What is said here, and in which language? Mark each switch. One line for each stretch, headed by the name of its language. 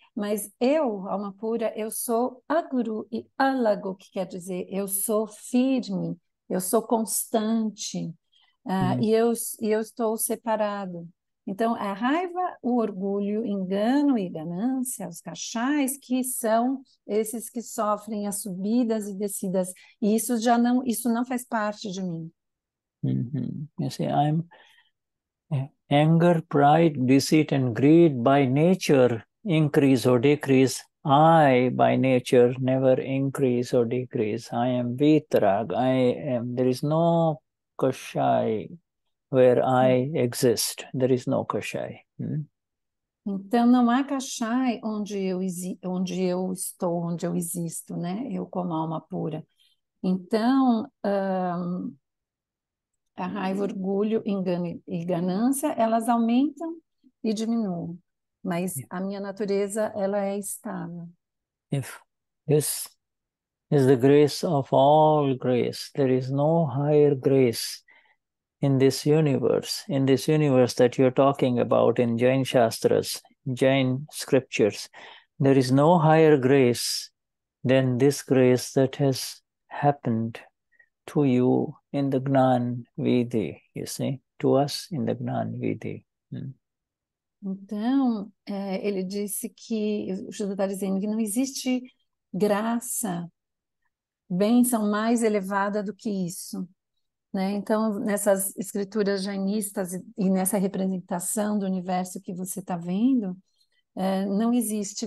Portuguese: Mas eu, alma pura, eu sou aguru e alago, que quer dizer eu sou firme, eu sou constante, e eu estou separado. Então, a raiva, o orgulho, engano e ganância, os cachais, que são esses que sofrem as subidas e descidas, e isso não faz parte de mim. Eu sei,
English: I'm... Anger, pride, deceit, and greed by nature increase or decrease. I, by nature, never increase or decrease. I am Vitrag. I am. There is no Kashai where I exist. There is no Kashai.
Portuguese: Então, não há Kashai onde eu estou, onde eu existo, né? Eu como alma pura. Então, a raiva, orgulho, engano e ganância, elas aumentam e diminuem. Mas a minha natureza, ela é estável.
English: If this is the grace of all grace, there is no higher grace in this universe that you're talking about in Jain Shastras, Jain scriptures, there is no higher grace than this grace that has happened to you in the Gnan Vidhi, you see, to us in the Gnan Vidhi.
Portuguese: Então, ele disse que, o Judas está dizendo que não existe graça, bênção mais elevada do que isso. Né? Então, nessas escrituras jainistas e nessa representação do universo que você está vendo, não existe.